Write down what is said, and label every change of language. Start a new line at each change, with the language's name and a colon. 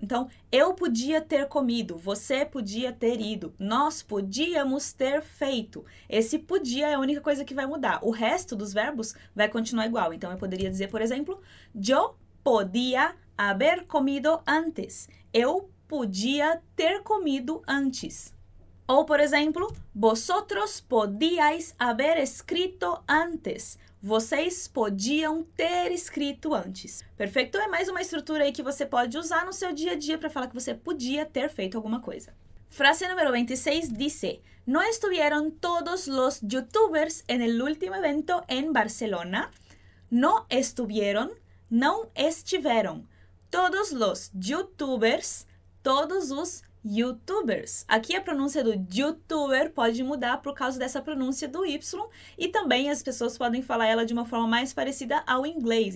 Portuguese: Então, eu podia ter comido, você podia ter ido, nós podíamos ter feito. Esse podia é a única coisa que vai mudar. O resto dos verbos vai continuar igual. Então, eu poderia dizer, por exemplo:
Spanish: yo podía haber comido antes.
Portuguese: Eu podia ter comido antes. Ou, por exemplo,
Spanish: vosotros podíais haber escrito antes.
Portuguese: Vocês podiam ter escrito antes. Perfeito? É mais uma estrutura aí que você pode usar no seu dia a dia para falar que você podia ter feito alguma coisa.
Spanish: Frase número 26 dice: ¿No estuvieron todos los youtubers en el último evento en Barcelona? No estuvieron,
Portuguese: não estiveram.
Spanish: Todos los youtubers,
Portuguese: todos os youtubers. Aqui a pronúncia do youtuber pode mudar por causa dessa pronúncia do Y. E também as pessoas podem falar ela de uma forma mais parecida ao inglês.